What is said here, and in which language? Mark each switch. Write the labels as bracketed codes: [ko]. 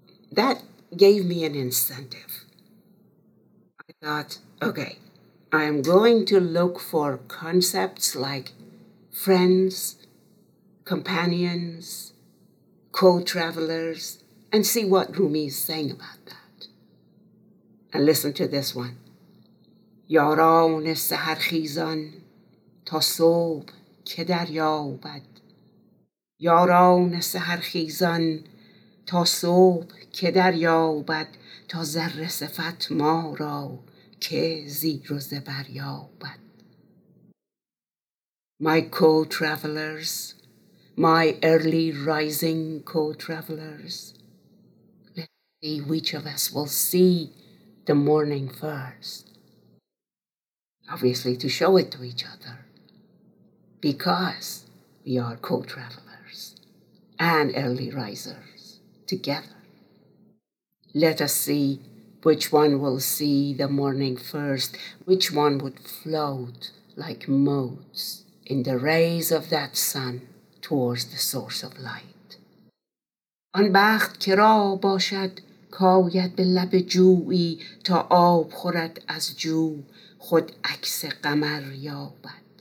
[en] That gave me an incentive. I thought, okay, I am going to look for concepts like friends, companions, co-travelers, and see what Rumi is saying about that. And listen to this one. [fa] یاران سحرخیزان تا صبح که دریابد یاران سحرخیزان تا صبح که دریابد تا ذره صفت ما را که زیر و زبر یابد. [en] My co-travelers, my early rising co-travelers, let's see which of us will see the morning first. Obviously to show it to each other, because we are co-travelers and early risers together. Let us see which one will see the morning first, which one would float like motes in the rays of that sun towards the source of light. [fa] آن بخت کرا باشد کاید به لب جویی تا آب خورد از جو خود عکس قمر یابد.